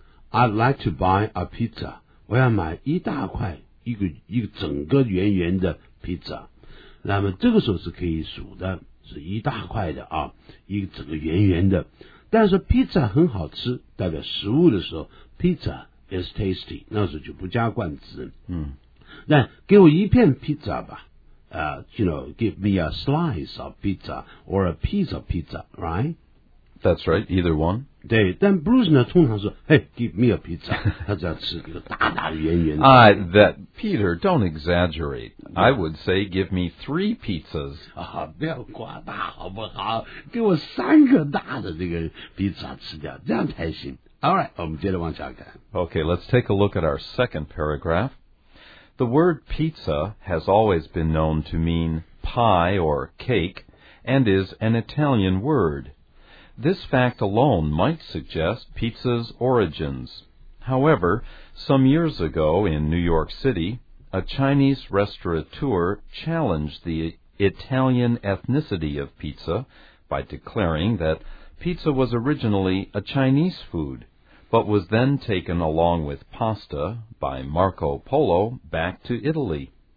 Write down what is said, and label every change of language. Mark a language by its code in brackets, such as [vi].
[en] I'd like to buy a pizza [zh] 我要买一大块一个整个圆圆的 pizza 那么这个时候是可以数的是一大块的啊一个整个圆圆的但是 pizza 很好吃代表食物的时候 [en] pizza is tasty [zh] 那时候就不加冠词那给我一片 pizza 吧 [en] you know give me a slice of pizza or a piece of pizza right That's right, either one. [zh] 对，但 Bruce 呢，通常说 ， [en] Hey, give me a pizza. [zh] 他这样吃一个大大的圆圆的。 [en] That Peter, don't exaggerate. I would say, give me three pizzas. [zh] 啊，不要夸大好不好？给我三个大的这个 pizza 吃掉，这样才行。 [en] All right, [zh] 我们接着往下看。 [en] Okay, let's take a look at our second paragraph. The word pizza has always been known to mean pie or cake, and is an Italian word. This fact alone might suggest pizza's origins. However, some years ago in New York City, a Chinese restaurateur challenged the Italian ethnicity of pizza by declaring that pizza was originally a Chinese food, but was then taken along with pasta by Marco Polo back to Italy.